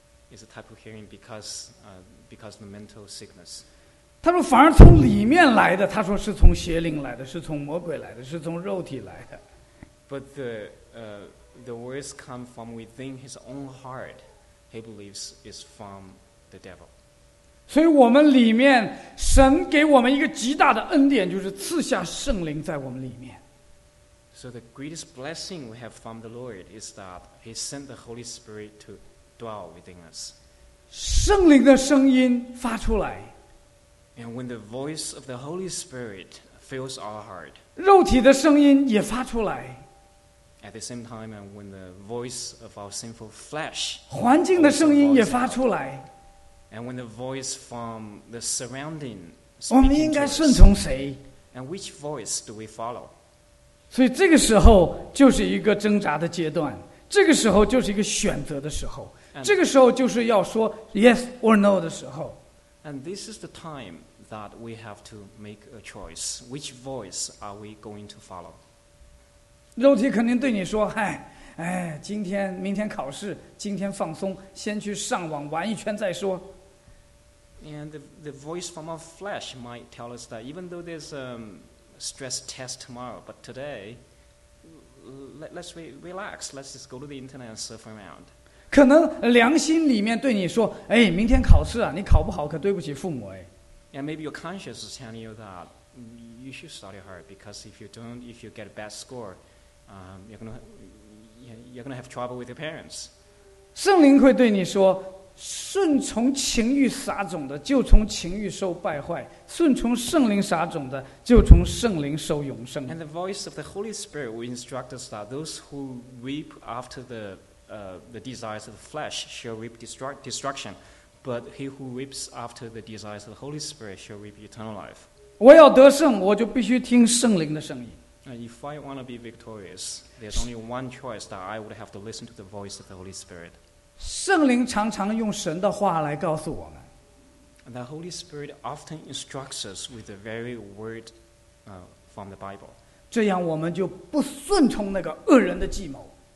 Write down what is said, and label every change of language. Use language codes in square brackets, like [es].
[en] is a type of hearing because of the mental sickness. [zh] 他说反而从里面来的, 他说是从邪灵来的, 是从魔鬼来的, 是从肉体来的。 [en] But the words come from within his own heart. He believes is from the devil. [zh] 所以我们里面, 神给我们一个极大的恩典, 就是赐下圣灵在我们里面。 [en] So the greatest blessing we have from the Lord is that he sent the Holy Spirit to dwell within us. [zh] 圣灵的声音发出来。 [en] And when the voice of the Holy Spirit fills our heart, [zh] 肉体的声音也发出来。 [en] At the same time, and when the voice of our sinful flesh, [zh] 环境的声音也发出来。 [en] And when the voice from the surrounding, [zh] 我们应该顺从谁？ [en] And which voice do we follow? [zh] 所以这个时候就是一个挣扎的阶段， 这个时候就是一个选择的时候， 这个时候就是要说 [en] yes or no [zh] 的时候。 [en] And this is the time that we have to make a choice. Which voice are we going to follow? [zh] 肉体肯定对你说， 今天明天考试， 今天放松， 先去上网玩一圈再说。 [en] And the voice from our flesh might tell us that even though there's a stress test tomorrow, but today, let's relax. Let's just go to the internet and surf around. [zh] 可能良心里面对你说， 明天考试啊， 你考不好可对不起父母。 [en] And maybe your conscience is telling you that you should study hard because if you don't, if you get a bad score, you're gonna have trouble with your parents. [zh] 圣灵会对你说， 顺从情欲撒种的， 就从情欲受败坏， 顺从圣灵撒种的， 就从圣灵受永生。 [en] And the voice of the Holy Spirit will instruct us that those who reap after the desires of the flesh shall reap destruction, but he who reaps after the desires of the Holy Spirit shall reap eternal life. [zh] 我要得胜， 我就必须听圣灵的声音。 [en] And if I want to be victorious, there's only one choice, that I would have to listen to the voice of the Holy Spirit. [zh] 圣灵常常用神的话来告诉我们。 [en] And the Holy Spirit often instructs us with the very word from the Bible. [zh] 这样我们就不顺从那个恶人的计谋。